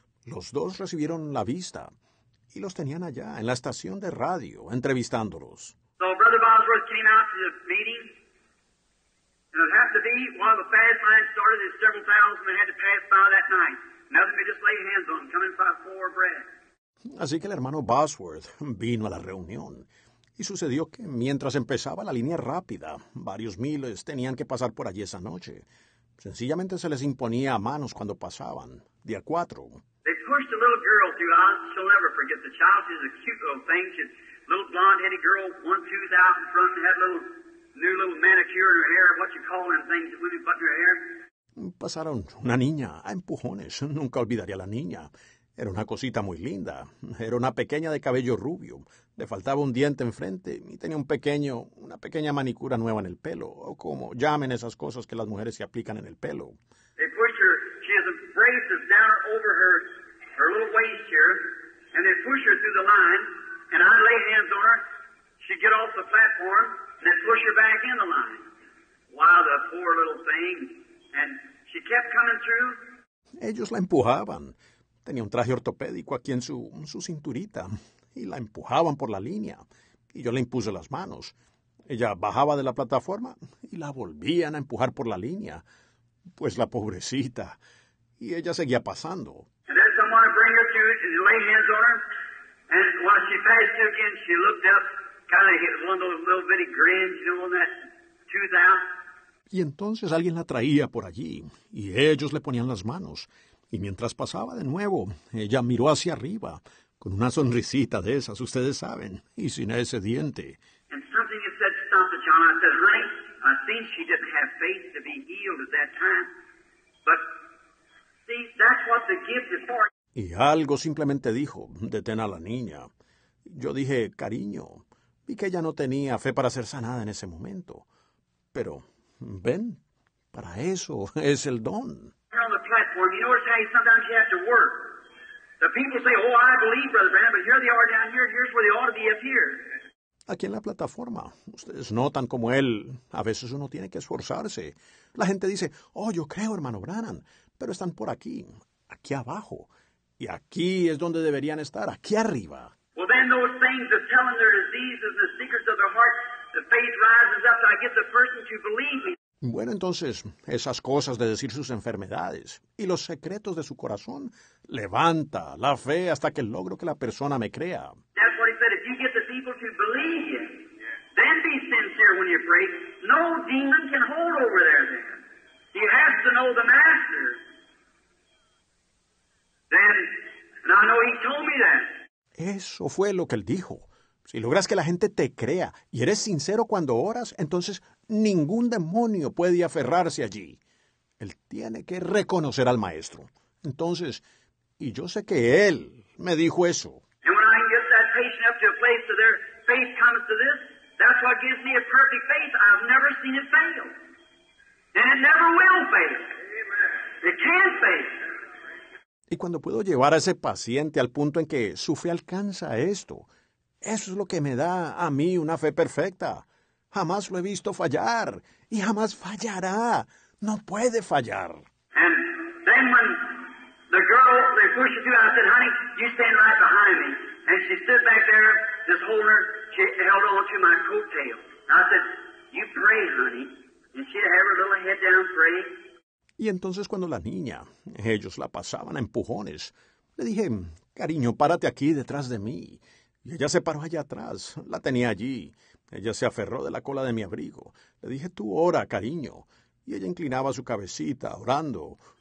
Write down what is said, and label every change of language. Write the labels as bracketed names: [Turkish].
[Spanish] Los dos recibieron la vista y los tenían allá en la estación de radio entrevistándolos. [English] So Brother Bosworth came out to the meeting, and it had to be while the fast line started, there's several thousand that had to pass by that night. Nothing but just lay hands on them, coming by four breath. [Spanish] Así que el hermano Bosworth vino a la reunión. Y sucedió que mientras empezaba la línea rápida, varios miles tenían que pasar por allí esa noche. Sencillamente se les imponía a manos cuando pasaban, día cuatro. [English] They pushed a little girl through. She'll never forget. The child is a cute little thing. She's a little blonde-headed girl, one tooth out in front, and had a little, new little manicure in her hair, what you call them things that women put in her hair. [Spanish] Pasaron una niña a empujones. Nunca olvidaría a la niña. Era una cosita muy linda. Era una pequeña de cabello rubio. Le faltaba un diente enfrente y tenía una pequeña manicura nueva en el pelo, o como llamen esas cosas que las mujeres se aplican en el pelo. [English] They push her, she has a braces down over her little waist here, and they push her through the line, and I lay hands on her, she'd get off the platform, and they push her back in the line. Wow, the poor little thing. And she kept coming through. [Spanish] Ellos la empujaban. Tenía un traje ortopédico aquí en su cinturita y la empujaban por la línea y yo le impuse las manos. Ella bajaba de la plataforma y la volvían a empujar por la línea, pues la pobrecita, y ella seguía pasando. [English] And then someone bring her to it and lay hands on her, and while she passed through again, she looked up, kind of hit one of those little bitty grins, you know, on that tooth out. [Spanish] Y entonces alguien la traía por allí y ellos le ponían las manos. Y mientras pasaba de nuevo, ella miró hacia arriba, con una sonrisita de esas, ustedes saben, y sin ese diente. [English] And something had said, stop it, John. I said, honey, I think she didn't have faith to be healed at that time. But, see, that's what the gift is for. [Spanish] Y algo simplemente dijo, detén a la niña. Yo dije, cariño, vi que ella no tenía fe para ser sanada en ese momento. Pero, ven, para eso es el don. [English] Platform. You notice how sometimes you have to work. The people say, oh, I believe, Brother Branham, but here they are down here. Here's where they ought to be up here. [Spanish] Aquí en la plataforma, ustedes notan como él, a veces uno tiene que esforzarse. La gente dice, oh, yo creo, hermano Branham, pero están por aquí, aquí abajo. Y aquí es donde deberían estar, aquí arriba. [English] Well, then those things of telling their diseases, the secrets of their heart, the faith rises up, so I get the person to believe me. [Spanish] Bueno, entonces, esas cosas de decir sus enfermedades y los secretos de su corazón, levanta la fe hasta que logro que la persona me crea. [English] That's what he said, if you get the people to believe you, then be sincere when you pray. No demon can hold over there then. You have to know the master. Then, and I know he told me that. [Spanish] Eso fue lo que él dijo. Si logras que la gente te crea y eres sincero cuando oras, entonces ningún demonio puede aferrarse allí. Él tiene que reconocer al maestro. Entonces, y yo sé que él me dijo eso. [English] And when I get that patient up to a place where their faith comes to this, that's what gives me a perfect faith. I've never seen it fail. And it never will fail. It can't fail. [Spanish] Y cuando puedo llevar a ese paciente al punto en que su fe alcanza esto, eso es lo que me da a mí una fe perfecta. Jamás lo he visto fallar. Y jamás fallará. No puede fallar. [English] And then when the girl, they pushed her through, I said, honey, you stand right behind me. And she stood back there, just holding her, she held on to my coattail. And I said, you pray, honey. And she'd have her little head down praying. [Spanish] Y entonces cuando la niña, ellos la pasaban a empujones, le dije, cariño, párate aquí detrás de mí. Y ella se paró allá atrás. La tenía allí. Ella se aferró de la cola de mi abrigo. Le dije, tú ora, cariño. Y ella inclinaba su cabecita, orando.